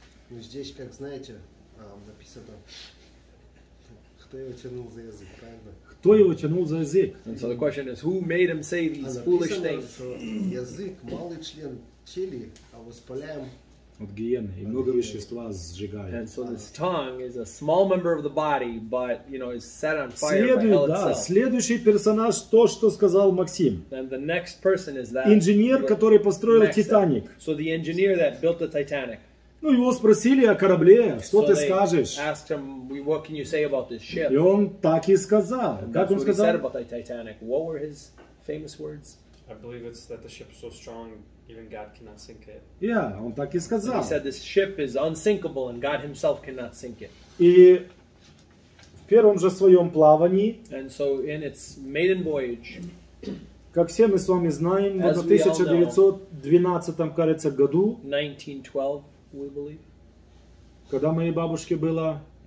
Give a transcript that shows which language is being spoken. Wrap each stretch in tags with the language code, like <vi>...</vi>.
<ru>Здесь, как знаете, написано, кто его тянул за язык, правильно? Кто его тянул за язык?</ru> <en>And so the question is, who made him say these foolish things?</en> <ru>Язык малый член тела, а воспаляем от гиены, и много вещества сжигает.</ru> <en>And so this tongue is a small member of the body, but, you know, is set on fire</en> <ru>следует,</ru> <en>by hell itself.</en> <ru>Да, следующий персонаж то, что сказал Максим.</ru> <en>And the next person is that</en> <ru>инженер, который построил Титаник.</ru> <en>So the engineer that built the Titanic.</en> <ru>Ну, его спросили о корабле, что ты скажешь?</ru> <en>Asked him, what can you say about this ship?</en> <ru>И он так и сказал. Как он сказал?</ru> <en>What he said about the Titanic. What were his famous words? I believe it's that the ship is so strong, even God cannot sink it.</en> <ru>Yeah, он так и сказал.</ru> <en>He said this ship is unsinkable and God himself cannot sink it.</en> <ru>И в первом же своем плавании,</ru> <en>and so in its maiden voyage,</en> <ru>как все мы с вами знаем, в 1912, кажется, году,</ru> <en>we believe.</en> <ru>Когда моей бабушке было,</ru>